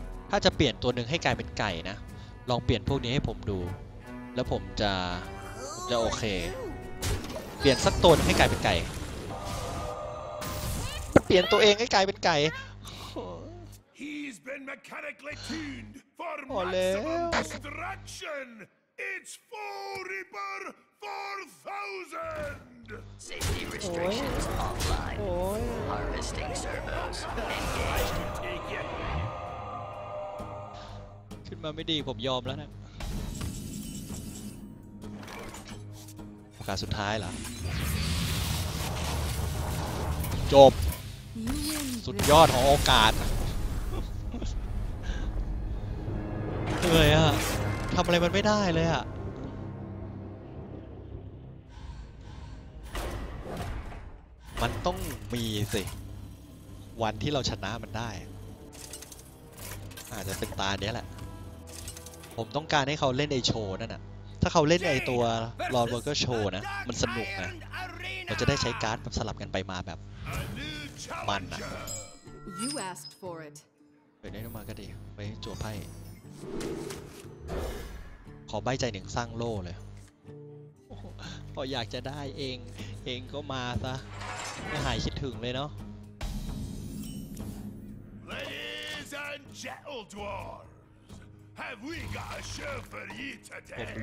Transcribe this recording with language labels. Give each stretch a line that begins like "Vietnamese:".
Thai: ถ้าจะเปลี่ยนตัวนึงให้กลายเป็นไก่นะลองเปลี่ยนพวกนี้ให้ผมดูแล้วผมจะโอเคเปลี่ยนสักตัวนึงให้กลายเป็นไก่เปลี่ยนตัวเองให้กลายเป็นไก่
English: He's been mechanically tuned for destruction. It's for Reaper 4000. Safety restrictions offline. Harvesting servos engaged.
Thai: ขึ้นมาไม่ดีผมยอมแล้วนะโอกาสสุดท้ายเหรอจบสุดยอดของโอกาสเหนื่อยอ่ะทำอะไรมันไม่ได้เลยอ่ะ มันต้องมีสิวันที่เราชนะมันได้อาจจะเป็นตาเนี้ยแหละผมต้องการให้เขาเล่นไอโชว์นั่นอ่ะถ้าเขาเล่นไอตัวลอร์ดเวอร์เกอร์โชว์นะมันสนุกนะเราจะได้ใช้การ์ดแบบสลับกันไปมาแบบมันนะ
English: You asked for it.
Thai: ไปได้ลงมาก็ดีไปจั่วไพ่ขอใบใจหนึ่งสร้างโล่เลยพออยากจะได้เองก็มาซะไม่หายคิดถึงเลยเนาะ
English: Ladies and gentlemen, have we got a show for you today?